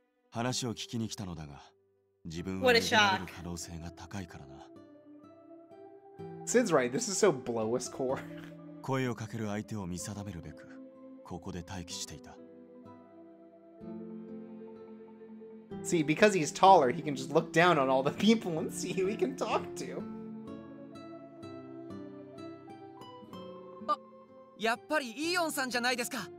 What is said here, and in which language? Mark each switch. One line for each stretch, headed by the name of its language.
Japanese: 話を聞きに来たのだが、自分は逃げられる可能性が高いからな。
English: Sid's right. This is so blow us core.
Japanese: 声をかける相手を見定めるべく、ここで待機していた。
English: See, because he's taller, he can just look down on all the people and see who he can talk to.
Japanese: やっぱりイオンさんじゃないですか。